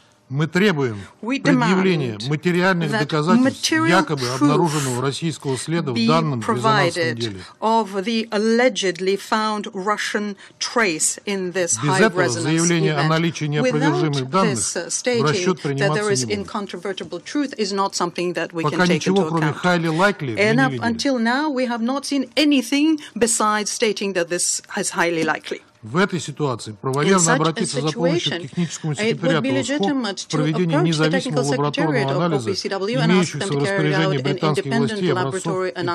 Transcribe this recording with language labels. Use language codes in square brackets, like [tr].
[ru] Мы требуем предъявления материальных доказательств якобы обнаруженного российского следа в данном резонансном деле. Без этого заявление о наличии неопровержимых данных в расчет приниматься не будет. Пока ничего, кроме highly likely, мы не видели. [en] Until now we have not seen anything besides stating that this is highly likely. [ru] В этой ситуации правомерно обратиться за помощью к техническому секретариату ОСКО в проведении независимого лабораторного анализа, имеющихся в распоряжении британских властей образцов и